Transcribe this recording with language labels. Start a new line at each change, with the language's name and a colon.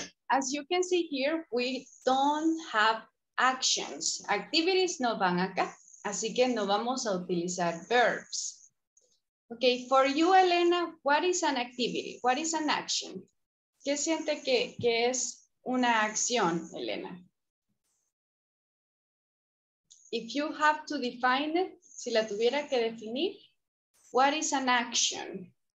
English: As you can see here, we don't have actions.
Spanish: Activities no van acá, así que no vamos a utilizar verbs.
English: Okay, for you, Elena, what is an activity? What is an action?
Spanish: ¿Qué siente que es una acción, Elena?
English: If you have to define it,
Spanish: si la tuviera que definir,
English: what is an action?